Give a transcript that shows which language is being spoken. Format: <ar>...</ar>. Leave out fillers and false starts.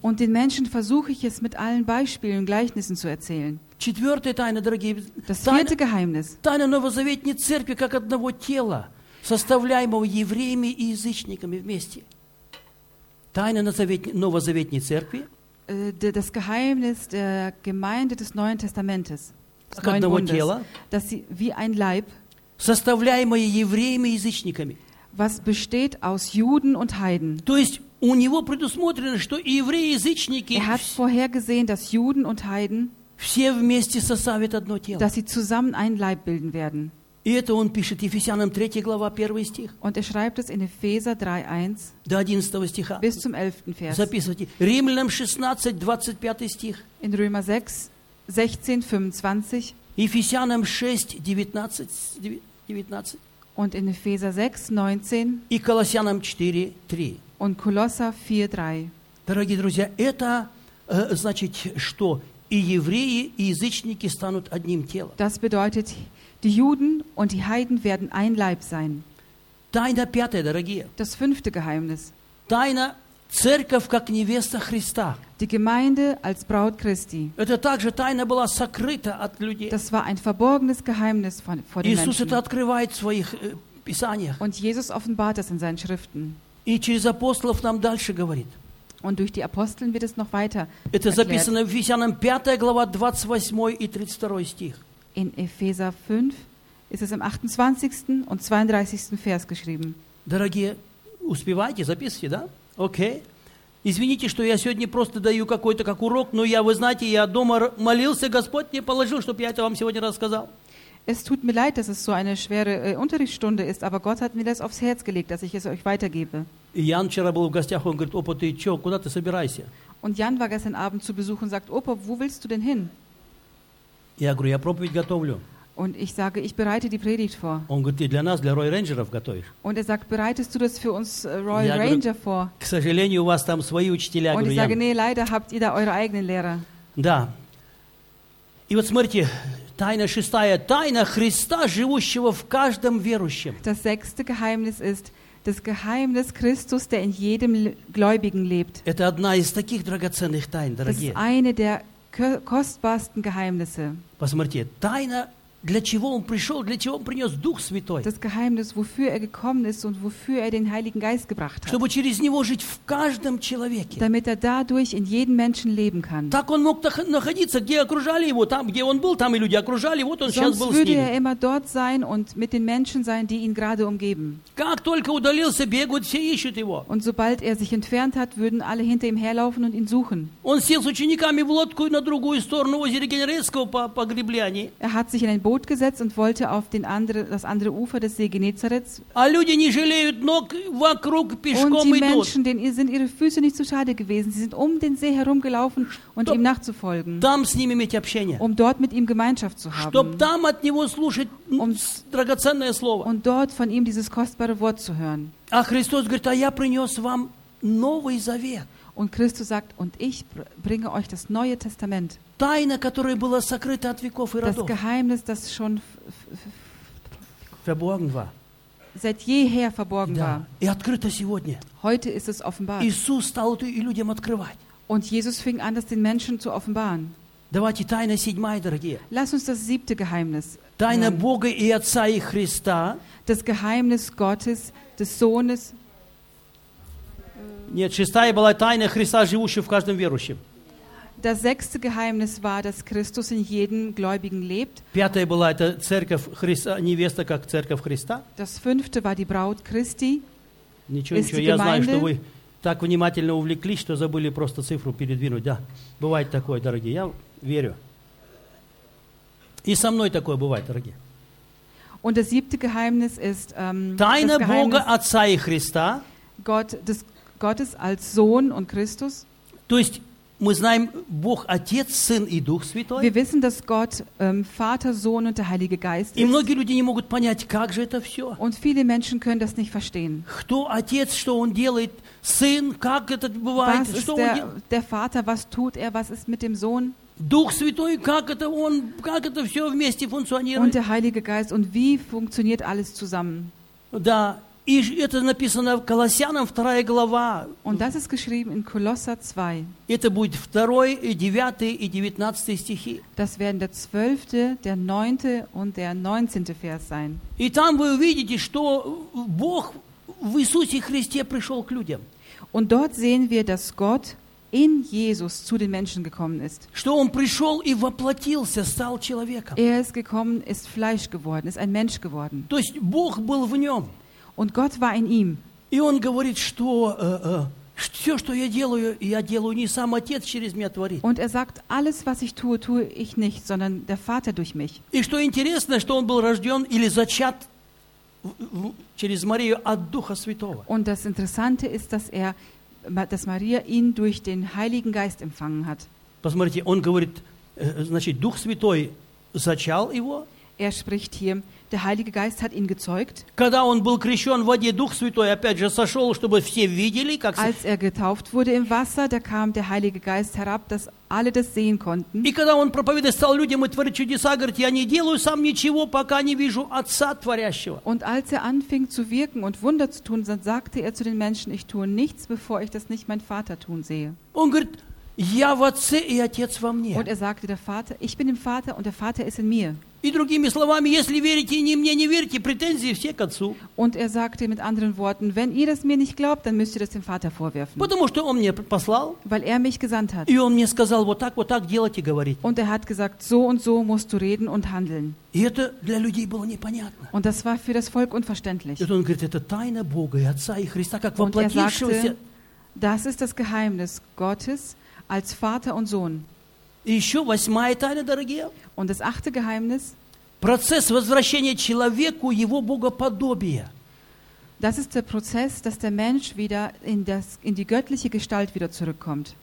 <de>Und den Menschen versuche ich es mit allen Beispielen und Gleichnissen zu erzählen.</de> <ru>Четвертая тайна, дорогие.</ru> <de>Das vierte Geheimnis.</de> <ru>Тайна новозаветной церкви как одного тела, составляемого евреями и язычниками вместе. Тайна новозаветной церкви.</ru> <de>Das Geheimnis der Gemeinde des Neuen Testamentes.</de> <ru>Как одного тела.</ru> <de>Dass sie wie ein Leib.</de> <ru>Составляемое евреями и язычниками.</ru> <de>Was besteht aus Juden und Heiden.</de> <ru>То есть у него предусмотрено, что и евреи, и язычники.</ru> <de>Er hat vorhergesehen, dass Juden und Heiden.</de> <ru>Все вместе составят одно тело.</ru> <de>Dass sie zusammen ein Leib bilden werden.</de> <ru>И это он пишет Ефесянам 3 глава 1 стих.</ru> <de>Und schreibt es in Epheser 3:1.</de> <ru>До 11 стиха.</ru> <de>Bis zum 11. Vers.</de> <ru>Записывайте. Римлянам 16, 25 стих.</ru> <de>In Römer 6:16-25.</de> <ru>Ефесянам 6:19.</ru> <de>Und in Epheser 6:19.</de> <ru>И Колоссянам 4:3.</ru> <de>Und Kolosser 4:3.</de> <ru>Дорогие друзья, это значит, что и евреи, и язычники станут одним телом.</ru> <de>Das bedeutet, die Juden und die Heiden werden ein Leib sein.</de> <ru>Тайна пятая, дорогие.</ru> <de>Das fünfte Geheimnis.</de> <ru>Тайна церковь как невеста Христа.</ru> <de>Die Gemeinde als Braut Christi.</de> <ru>Это также тайна была сокрыта от людей.</ru> <de>Das war ein verborgenes Geheimnis vor den Menschen.</de> <ru>Иисус это открывает в своих писаниях.</ru> <de>Und Jesus offenbart es in seinen Schriften.</de> <ru>И через апостолов нам дальше говорит.</ru> <de>Und durch die Aposteln wird es noch weiter erklärt.</de> <ru>Это записано в Ефесянам 5 глава 28 и 32 стих.</ru> <de>In Epheser 5 ist es im 28. und 32. Vers geschrieben.</de> <ru>Дорогие, успевайте, записывайте, да? Окей. Извините, что я сегодня просто даю какой-то как урок, но я, вы знаете, я дома молился, Господь мне положил, чтобы я это вам сегодня рассказал.</ru> <de>Es tut mir leid, dass es so eine schwere Unterrichtsstunde ist, aber Gott hat mir das aufs Herz gelegt, dass ich es euch weitergebe.</de> <ru>Jan вчера был в гостях, он говорит, Опа, ты чё, куда ты собираешься?</ru> <de>Und Jan war gestern Abend zu Besuch und sagt, Opa, wo willst du denn hin?</de> <ru>Я говорю, я проповедь готовлю.</ru> <de>Und ich sage, ich bereite die Predigt vor.</de> <ru>Он говорит, ты для нас, для Roy Rangers готовишь.</ru> <de>Und sagt, bereitest du das für uns Royal Ranger vor?</de> <ru>К сожалению, у вас там свои учителя.</ru> <de>Und ich sage, nee, leider habt ihr da eure eigenen Lehrer.</de> <ru>Да. И вот смотрите, тайна шестая, тайна Христа, живущего в каждом верующем.</ru> <de>Das sechste Geheimnis ist das Geheimnis Christus, der in jedem Gläubigen lebt.</de> <ru>Это одна из таких драгоценных тайн, дорогие.</ru> <de>Das ist eine der kostbarsten Geheimnisse.</de> <ru>Посмотрите, тайна, для чего он пришел, для чего он принес Дух Святой.</ru> <de>Das Geheimnis, wofür er gekommen ist und wofür er den Heiligen Geist gebracht hat.</de> <ru>Чтобы через него жить в каждом человеке.</ru> <de>Damit er dadurch in jedem Menschen leben kann.</de> <ru>Так он мог находиться, где окружали его, там, где он был, там и люди окружали, вот он</ru> <de>Sonst</de> <ru>сейчас был с ними.</ru> <de>Sonst würde er immer dort sein und mit den Menschen sein, die ihn gerade umgeben.</de> <ru>Как только удалился, бегут, все ищут его.</ru> <de>Und sobald er sich entfernt hat, würden alle hinter ihm herlaufen und ihn suchen.</de> <ru>Он сел с учениками в лодку на другую сторону озера Генеретского по греблянии.</ru> <de>Er hat sich in ein Boot gesetzt und wollte auf den andere, das andere Ufer des See Genezareth.</de> <ru>А люди не жалеют ног, вокруг пешком идут.</ru> <de>Und die Menschen, denen sind ihre Füße nicht zu schade gewesen. Sie sind den See herumgelaufen und ihm nachzufolgen.</de> <ru>Там с ними иметь общение.</ru> <de>Um dort mit ihm Gemeinschaft zu haben.</de> <ru>Чтоб там от него слушать драгоценное слово.</ru> <de>Und dort von ihm dieses kostbare Wort zu hören.</de> <ru>А Христос говорит, а я принес вам новый завет.</ru> <de>Und Christus sagt, und ich bringe euch das Neue Testament.</de> <ru>Тайна, которая была сокрыта от веков и родов.</ru> <de>Das Geheimnis, das schon verborgen war. Seit jeher verborgen</de> <ru>да.</ru> <de>War.</de> <ru>И открыто сегодня.</ru> <de>Heute ist es offenbart.</de> <ru>Иисус стал это и людям открывать.</ru> <de>Und Jesus fing an, das den Menschen zu offenbaren.</de> <ru>Давайте тайна седьмая, дорогие.</ru> <de>Lass uns das siebte Geheimnis.</de> <ru>Тайна Бога и Отца и Христа.</ru> <de>Das Geheimnis Gottes, des Sohnes.</de> <ru>Нет, шестая была тайна Христа, живущего в каждом верующем.</ru> <de>Das sechste Geheimnis war, dass Christus in jedem Gläubigen lebt.</de> <ru>Пятая была это церковь Христа, невеста как церковь Христа.</ru> <de>Das fünfte war die Braut Christi.</de> <ru>Ничего, я знаю, что вы так внимательно увлеклись, что забыли просто цифру передвинуть. Да, бывает такое, дорогие. Я верю. И со мной такое бывает, дорогие.</ru> <de>Und das siebte Geheimnis ist</de> <ru>Тайна</ru> <de>das Geheimnis</de> <ru>Бога Отца и Христа.</ru> <de>Gott, des Gottes als Sohn und Christus.</de> <ru>То есть мы знаем Бог Отец, Сын и Дух Святой.</ru> <de>Wir wissen, dass Gott Vater, Sohn und der Heilige Geist ist.</de> <ru>И многие люди не могут понять, как же это все.</ru> <de>Und viele Menschen können das nicht verstehen.</de> <ru>Кто Отец, что Он делает? Сын, как это бывает?</ru> <de>Was ist der Vater? Was tut er? Was ist mit dem Sohn?</de> <ru>Дух Святой, как это он, как это все вместе функционирует?</ru> <de>Und der Heilige Geist, und wie funktioniert alles zusammen?</de> <ru>Да, и это написано в Колоссянам, вторая глава.</ru> <de>Und das ist geschrieben in Kolosser 2.</de> <ru>Это будет 2, 9 и 19 стихи.</ru> <de>Das werden der 12, der 9 und der 19 Vers sein.</de> <ru>И там вы увидите, что Бог в Иисусе Христе пришел к людям.</ru> <de>Und dort sehen wir, dass Gott in Jesus zu den Menschen gekommen ist.</de> <ru>Что он пришел и воплотился, стал человеком.</ru> <de>Er ist gekommen, ist Fleisch geworden, ist ein Mensch geworden.</de> <ru>То есть Бог был в нем.</ru> <de>Und Gott war in ihm.</de> <ru>И он говорит, что все, что я делаю не сам Отец через меня творит.</ru> <de>Und er sagt, alles, was ich tue, tue ich nicht, sondern der Vater durch mich.</de> <ru>И что интересно, что он был рожден или зачат через Марию от Духа Святого.</ru> <de>Und das Interessante ist, dass er dass Maria ihn durch den Heiligen Geist empfangen hat.</de> <ru>Посмотрите, он говорит, значит, Дух Святой зачал его.</ru> <de>Er spricht hier, der Heilige Geist hat ihn gezeugt.</de> <ru>Когда он был крещен в воде, Дух Святой опять же сошел, чтобы все видели, как...</ru> <de>Als er getauft wurde im Wasser, da kam der Heilige Geist herab, dass alle das sehen konnten.</de> <ru>И когда он проповедовал, стал людям и творить чудеса, говорит, я не делаю сам ничего, пока не вижу Отца Творящего.</ru> <de>Und als er anfing zu wirken und Wunder zu tun, dann sagte er zu den Menschen, ich tue nichts, bevor ich das nicht mein Vater tun sehe.</de> <ru>Он говорит, я в Отце и Отец во мне.</ru> <de>Und er sagte, der Vater, ich bin im Vater und der Vater ist in mir.</de> <ru>И другими словами, если верите не мне, не верьте, претензии все к Отцу.</ru> <de>Und er sagte mit anderen Worten, wenn ihr das mir nicht glaubt, dann müsst ihr das dem Vater vorwerfen.</de> <ru>Потому что он мне послал.</ru> <de>Weil er mich gesandt hat.</de> <ru>И он мне сказал, вот так делать и говорить.</ru> <de>Und er hat gesagt, so und so musst du reden und handeln.</de> <ru>И это для людей было непонятно.</ru> <de>Und das war für das Volk unverständlich.</de> <ru>Это он говорит, это тайна Бога и Отца и Христа, как воплотившегося.</ru> <de>Und er sagte, das ist das Geheimnis Gottes als Vater und Sohn.</de> <ru>И еще восьмая тайна, дорогие.</ru> <de>Und das achte Geheimnis.</de> <ru>Процесс возвращения человеку его богоподобия.</ru> <de>Das ist der Prozess, dass der Mensch wieder in die göttliche Gestalt wieder zurückkommt.</de>